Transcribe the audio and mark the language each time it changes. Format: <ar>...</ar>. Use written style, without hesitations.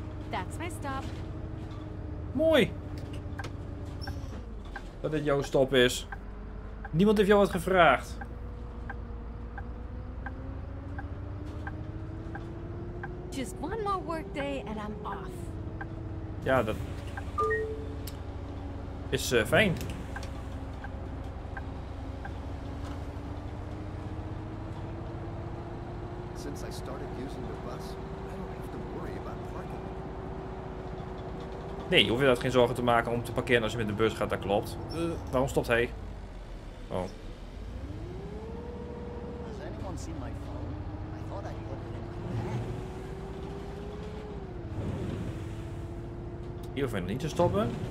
<en>That's my stop.</en> <nl>Mooi! Dat dit jouw stop is. Niemand heeft jou wat gevraagd.</nl> <en>Just one more workday and I'm off.</en> <nl>Ja, dat... Is fijn.</nl> <en>Since I started using the bus, I don't have to worry about parking.</en> <nl>Nee, je hoeft je dat geen zorgen te maken om te parkeren als je met de bus gaat, dat klopt. Waarom stopt hij? Oh.</nl> <en>Has anyone seen my phone? I thought I had it in my</en> <nl>hand. Je hoeft hem niet te stoppen.</nl>